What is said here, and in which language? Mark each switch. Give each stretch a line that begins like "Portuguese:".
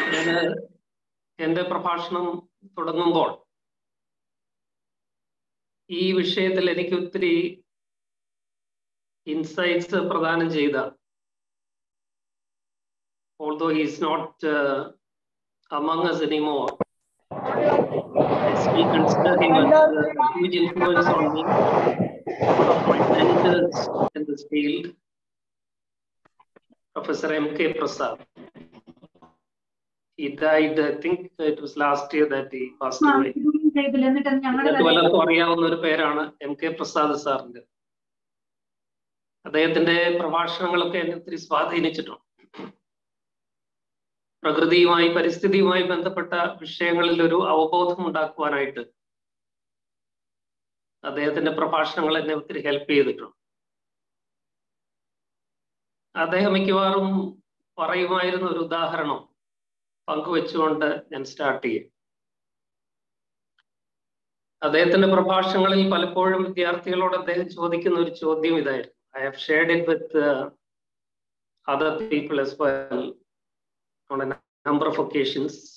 Malayalam: ഞാൻ എൻ്റെ പ്രഭാഷണം തുടങ്ങുമ്പോൾ ഈ വിഷയത്തിൽ എനിക്ക് ഒത്തിരി ഇൻസൈറ്റ്സ് പ്രദാനം ചെയ്ത,
English: Although he is not among us anymore, we consider him as a huge influence on me, one of my mentors in this field, Professor M.K. Prasad. He died, I think it was last year that he passed away. He died in the last year. M.K. Prasad is our name.
Malayalam: അദ്ദേഹത്തിന്റെ പ്രഭാഷണങ്ങളൊക്കെ എന്നെ ഒത്തിരി സ്വാധീനിച്ചിട്ടുണ്ട്. പ്രകൃതിയുമായി പരിസ്ഥിതിയുമായി ബന്ധപ്പെട്ട വിഷയങ്ങളിൽ ഒരു അവബോധം ഉണ്ടാക്കുവാനായിട്ട് അദ്ദേഹത്തിന്റെ പ്രഭാഷണങ്ങൾ എന്നെ ഒത്തിരി ഹെൽപ്പ് ചെയ്തിട്ടുണ്ട്. അദ്ദേഹം മിക്കവാറും പറയുമായിരുന്ന ഒരു ഉദാഹരണം പങ്കുവെച്ചുകൊണ്ട് ഞാൻ സ്റ്റാർട്ട് ചെയ്യും. അദ്ദേഹത്തിന്റെ പ്രഭാഷണങ്ങളിൽ പലപ്പോഴും വിദ്യാർത്ഥികളോട് അദ്ദേഹം ചോദിക്കുന്ന ഒരു ചോദ്യം ഇതായിരുന്നു.
English: I have shared it with other people as well on a number of occasions.